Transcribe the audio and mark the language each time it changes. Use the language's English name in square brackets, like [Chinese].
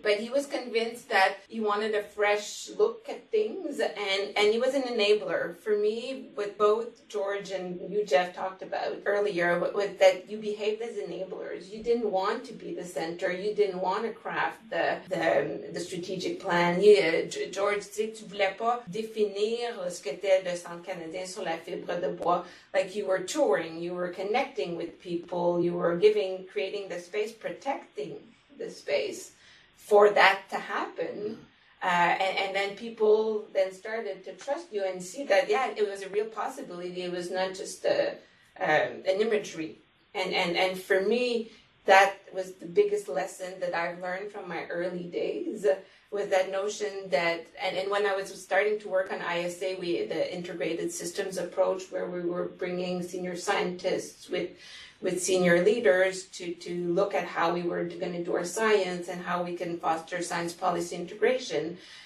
[English] But he was convinced that he wanted a fresh look at things, and he was an enabler. For me, with both George and you, Geoff, talked about earlier, with that you behaved as enablers. You didn't want to be the center. You didn't want to craft the strategic plan. [French] George, tu sais, tu voulais pas définir ce que était le Centre canadien sur la fibre de bois. [English] Like, you were touring, you were connecting with people, you were giving, creating the space, protecting the space for that to happen. And then people then started to trust you and see that, yeah, it was a real possibility. It was not just an imagery. And for me, that was the biggest lesson that I've learned from my early days, was that notion that, and when I was starting to work on ISA, the integrated systems approach, where we were bringing senior scientists with senior leaders to look at how we were going to do our science and how we can foster science policy integration.